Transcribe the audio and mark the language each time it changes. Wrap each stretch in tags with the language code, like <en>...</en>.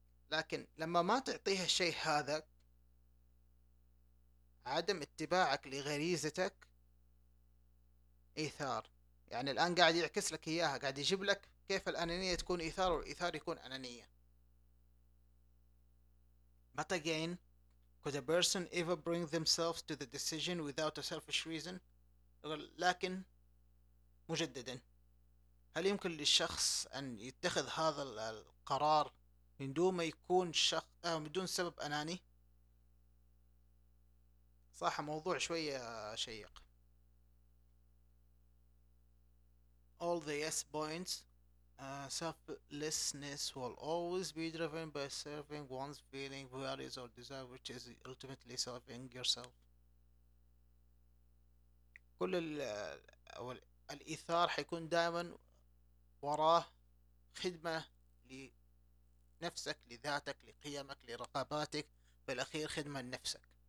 <ar>لكن لما ما تعطيه الشيء هذا، عدم اتباعك لغريزتك إيثار. يعني الآن قاعد يعكس لك إياها، قاعد يجيب لك كيف الأنانية تكون إيثار والإيثار يكون أنانية.</ar> <en>But again, could a person ever bring themselves to the decision without a selfish reason?</en> <ar>لكن مجددا، هل يمكن للشخص أن يتخذ هذا القرار من دون ما يكون شخص من دون سبب أناني؟ صح، موضوع شوية شيق.</ar> <en>All the yes points. Selflessness will always be driven by serving one's feeling, values or desire, which is ultimately serving yourself.</en> <ar>كل الإيثار حيكون دائما وراه خدمة لنفسك، لذاتك، لقيمك، لرغباتك، بالأخير خدمة لنفسك.</ar>